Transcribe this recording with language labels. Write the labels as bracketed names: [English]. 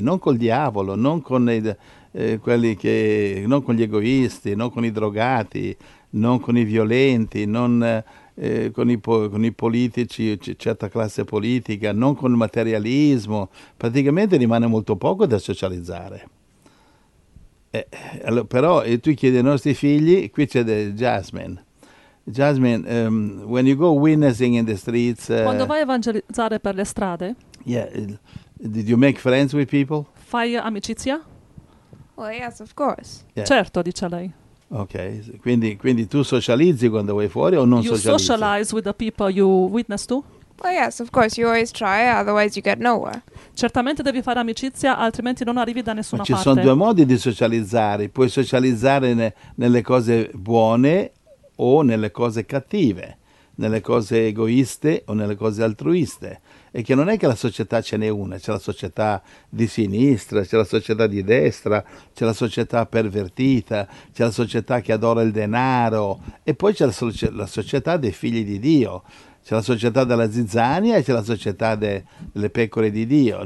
[Italian] Non col diavolo, non con quelli che, non con gli egoisti, non con i drogati, non con i violenti, non con i politici, certa classe politica, non con il materialismo. Praticamente rimane molto poco da socializzare. Però tu chiedi ai nostri figli, qui c'è Jasmine. [English] Jasmine, when you go witnessing in the streets, [Italian] quando vai a evangelizzare per le strade? [English] Yeah, did you make friends with people? [Italian] Fai amicizia? [English] Well, yes, of course. Yeah. [Italian] Certo, dice lei. Ok, quindi tu socializzi quando vai fuori o non [English] you [Italian] socializzi? [English] You socialize with the people you witness to? Well, yes, of course, you always try, otherwise you get nowhere. [Italian] Certamente devi fare amicizia, altrimenti non arrivi da nessuna parte. Ci sono due modi di socializzare. Puoi socializzare nelle cose buone o nelle cose cattive, nelle cose egoiste o nelle cose altruiste. E che non è che la società ce n'è una, c'è la società di sinistra, c'è la società di destra, c'è la società pervertita, c'è la società che adora il denaro, e poi c'è la società dei figli di Dio, c'è la società della zizzania e c'è la società delle pecore di Dio.